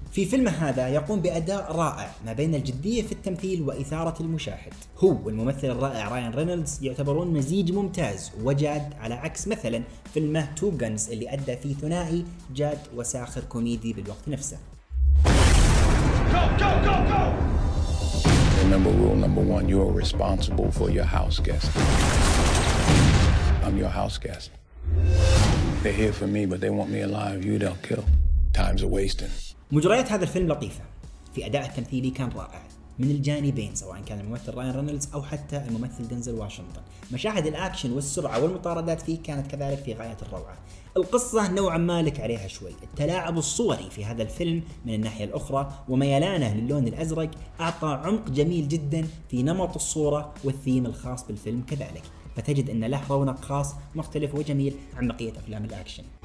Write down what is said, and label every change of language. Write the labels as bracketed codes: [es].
[ar] في فيلم هذا يقوم بأداء رائع ما بين الجدية في التمثيل وإثارة المشاهد. هو والممثل الرائع راين رينولدز يعتبرون مزيج ممتاز وجاد، على عكس مثلا فيلم تو غانز اللي أدى فيه ثنائي جاد وساخر كوميدي بالوقت نفسه. [en] Remember rule number one, you are responsible for your house guests. I'm your house guest. They're here for me, but they want me alive. You don't kill. Time's a wasting. [ar] مجريات هذا الفيلم لطيفة. في أداء التمثيلي كان رائع من الجانبين، سواء كان الممثل راين رينولدز أو حتى الممثل دينزل واشنطن. مشاهد الأكشن والسرعة والمطاردات فيه كانت كذلك في غاية الروعة. القصة نوعا ما لك عليها شوي. التلاعب الصوري في هذا الفيلم من الناحية الأخرى وميلانه للون الأزرق أعطى عمق جميل جدا في نمط الصورة والثيم الخاص بالفيلم كذلك، فتجد أن له رونق خاص مختلف وجميل عن بقية أفلام الأكشن.